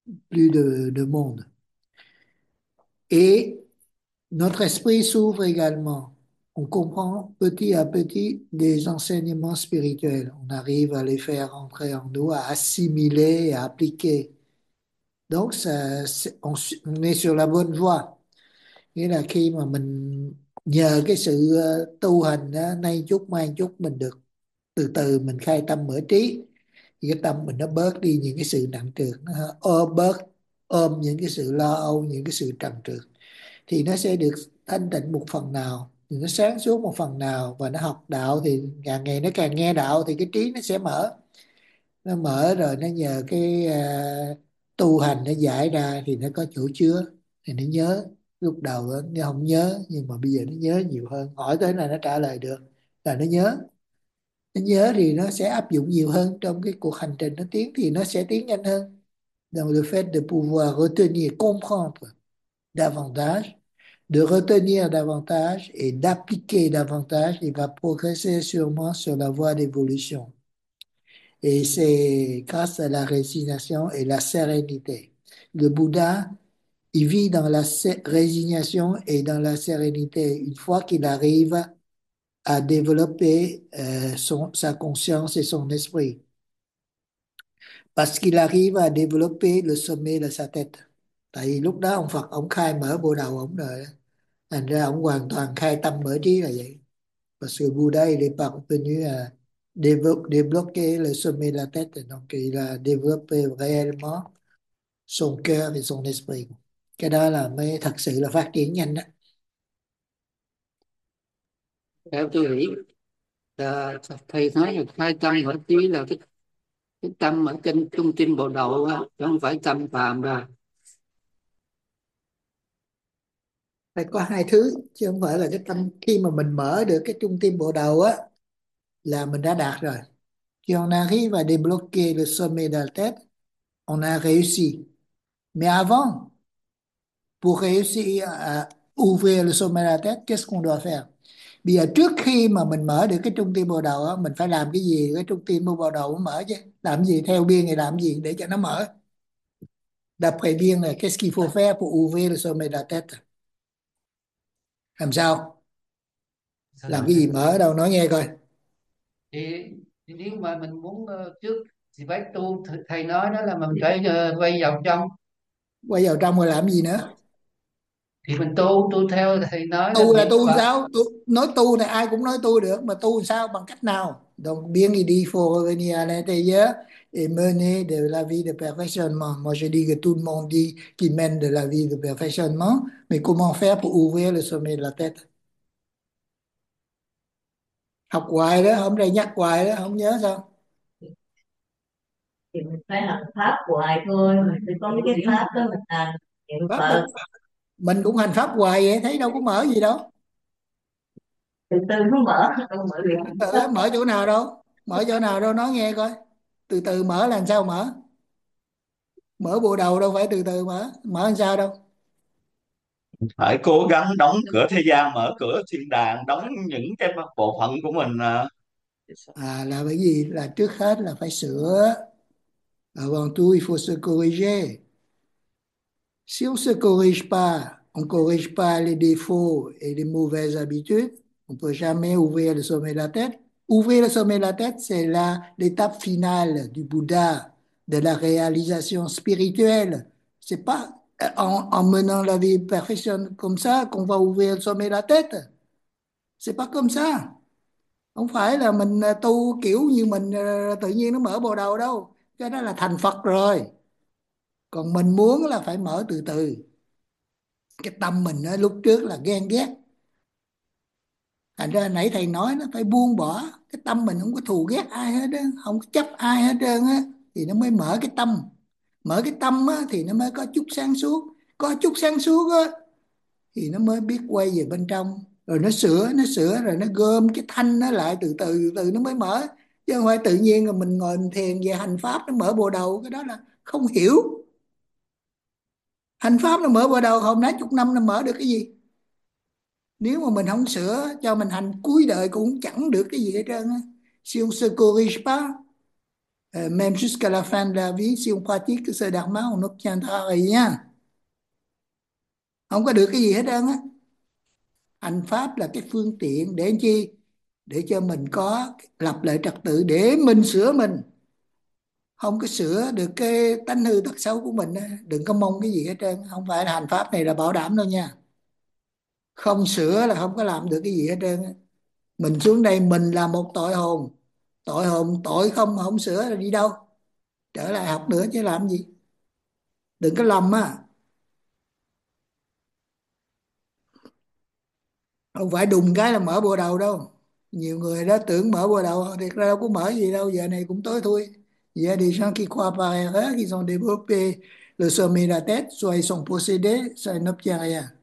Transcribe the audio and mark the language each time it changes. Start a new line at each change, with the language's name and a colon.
French: Plus de monde. Et notre esprit s'ouvre également. On comprend petit à petit des enseignements spirituels. On arrive à les faire entrer en nous, à assimiler, à appliquer. Donc, on est sur la bonne voie.
Vietnamese: Nghĩa là khi mà mình nhờ cái sự tu hành đó, nay chút mai chút mình được từ từ mình khai tâm mở trí, thì cái tâm mình nó bớt đi những cái sự nặng trược, ôm những cái sự lo âu, những cái sự trần trược, thì nó sẽ được thanh tịnh một phần nào, thì nó sáng suốt một phần nào, và nó học đạo thì càng ngày nó càng nghe đạo thì cái trí nó sẽ mở. Nó mở rồi nó nhờ cái tu hành nó giải ra thì nó có chỗ chứa, thì nó nhớ, lúc đầu nó không nhớ nhưng mà bây giờ nó nhớ nhiều hơn, hỏi tới là nó trả lời được là nó nhớ thì nó sẽ áp dụng nhiều hơn trong cái cuộc hành trình, nó tiến thì nó sẽ tiến nhanh hơn.
French: Donc le fait de pouvoir retenir, comprendre davantage, de retenir davantage et d'appliquer davantage, il va progresser sûrement sur la voie d'évolution. Et c'est grâce à la résignation et la sérénité. Le Bouddha, il vit dans la résignation et dans la sérénité. Une fois qu'il arrive à développer sa conscience et son esprit, parce qu'il arrive à développer le sommet de sa tête.
Vietnamese: Tại vì lúc đó ông Phật ông khai mở bộ đầu ông rồi, thành ra ông hoàn toàn khai tâm mở trí là vậy.
French: Parce que Bouddha, il est parvenu à débloquer le sommet de la tête. Donc, il a développé réellement son cœur et son esprit.
Vietnamese: Cái đó là mới thật sự là phát triển nhanh đó. Theo tôi nghĩ là thầy nói là khai tâm hỏi chí là cái tâm ở trên trung tâm bộ đầu đó, chứ không phải tâm phàm ra. Phải có hai thứ chứ không phải là cái tâm. Khi mà mình mở được cái trung tâm bộ đầu á là mình đã đạt rồi. Khi
French: on arrive à débloquer le sommet de la tête, on a réussi. Mais avant, pour réussir à ouvrir le sommet de la tête, qu'est-ce qu'on doit faire?
Vietnamese: Bây giờ trước khi mà mình mở được cái trung tâm bộ đầu á, mình phải làm cái gì cái trung tâm bộ đầu mới mở chứ? Làm gì theo biên thì làm gì để cho nó mở? D'après biên là qu'est-ce qu'il faut faire pour ouvrir le sommet de la tête? Làm sao? Làm cái gì mở đâu, nói nghe coi. Thì nếu mà mình muốn trước thì phải tu, thầy nói đó là mình phải quay vào trong, Quay vào trong rồi làm gì nữa? mình tu tu theo thầy nói là Tu là niệm tu Phật. sao? Nói tu này ai cũng nói tu được, mà tu sao, bằng cách nào?
French: Donc bien y đi for venir à l'intérieur et mener de la vie de perfectionnement. Moi je dis que tout le monde dit qu'il mène de la vie de perfectionnement, mais comment faire pour ouvrir le sommet de la tête?
Vietnamese: Học hoài đó, hôm nay nhắc hoài đó, không nhớ sao? Thì mình phải hành pháp hoài thôi, mình phải có cái pháp đó mình hành niệm Pháp Phật. mình cũng hành pháp hoài vậy, thấy đâu có mở gì đâu. Từ Ừ, mở chỗ nào đâu, mở chỗ nào đâu, nói nghe coi. Từ từ mở làm sao mở, mở bộ đầu đâu phải từ từ mở, mở làm sao đâu. mở phải cố gắng đóng cửa thế gian, mở cửa thiên đàng, đóng những cái bộ phận của mình. À là bởi vì là trước hết là phải sửa.
French: Avant tout, il faut se corriger. Si on se corrige pas, on corrige pas les défauts et les mauvaises habitudes, on ne peut jamais ouvrir le sommet de la tête. Ouvrir le sommet de la tête, c'est là l'étape finale du Bouddha, de la réalisation spirituelle. C'est pas en menant la vie perfectionnelle comme ça qu'on va ouvrir le sommet de la tête. C'est pas comme ça.
Vietnamese: Không phải là mình tu kiểu như mình tự nhiên nó mở bộ đầu đâu. Cái đó là thành Phật rồi. Còn mình muốn là phải mở từ từ. Cái tâm mình nó lúc trước là ghen ghét. Thành ra nãy thầy nói nó phải buông bỏ. Cái tâm mình không có thù ghét ai hết đó, không có chấp ai hết trơn á, thì nó mới mở cái tâm. Mở cái tâm á, thì nó mới có chút sáng suốt. Có chút sáng suốt á, thì nó mới biết quay về bên trong. Rồi nó sửa rồi nó gom cái thanh nó lại từ từ từ nó mới mở. Chứ không phải tự nhiên là mình ngồi mình thiền về hành pháp nó mở bộ đầu, cái đó là không hiểu. Hành pháp nó mở bộ đầu hôm nay chục năm nó mở được cái gì? Nếu mà mình không sửa cho mình hành cuối đời cũng chẳng được cái gì hết trơn á.
French: Si on se corrige pas, même jusqu'à la fin de la vie, si on pratique ce dharma, on n'obtiendra rien.
Vietnamese: Không có được cái gì hết trơn á. Hành pháp là cái phương tiện để làm chi? Để cho mình có lập lại trật tự để mình sửa mình. Không có sửa được cái tánh hư tật xấu của mình, đừng có mong cái gì hết trơn. Không phải là hành pháp này là bảo đảm đâu nha. Không sửa là không có làm được cái gì hết trơn. Mình xuống đây mình là một tội hồn. Tội hồn, tội không mà không sửa là đi đâu? Trở lại học nữa chứ làm gì? Đừng có lầm á. Không phải đùng cái là mở bộ đầu đâu. Nhiều người đó tưởng mở bộ đầu, thiệt ra đâu có mở gì đâu, giờ này cũng tối thui.
French: Il y a des gens qui croient par erreur qu'ils ont développé le sommet de la tête, soit ils sont possédés, soit ils n'obtiennent rien.